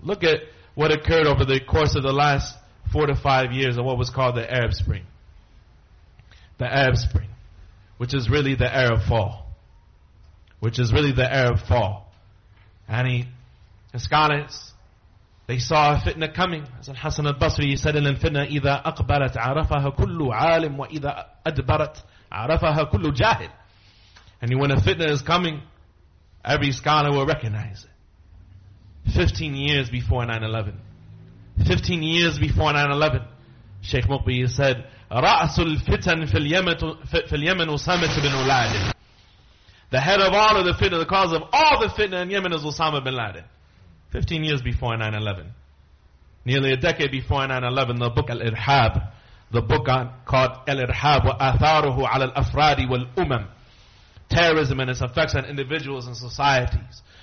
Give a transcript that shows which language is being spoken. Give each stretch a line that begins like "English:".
English: Look at what occurred over the course of the last 4 to 5 years of what was called the Arab Spring. The Arab Spring. Which is really the Arab Fall. Which is really the Arab Fall. And the scholars, they saw a fitna coming. As Hassan al-Basri, he said,
Arabic: الْفِتْنَ إِذَا أَقْبَلَتْ عَرَفَهَا كُلُّ عَالِمٌ وَإِذَا أَدْبَرَتْ عَرَفَهَا كُلُّ جَاهِلٌ.
English: And when a fitna is coming, every scholar will recognize it. 15 years before 9/11. 15 years before 9/11. Sheikh Muqbi said,
Arabic: رَأْسُ الْفِتَنْ فِي الْيَمَنْ أُسَامَةُ بِنُ لَادٍ.
English: The head of all of the fitna, the cause of all the fitna in Yemen is Osama bin Laden. 15 years before 9/11. Nearly a decade before 9/11, the book Al-Irhab, the book called Al-Irhab wa Atharuhu ala al-Afradi wal-Umam, terrorism and its effects on individuals and societies.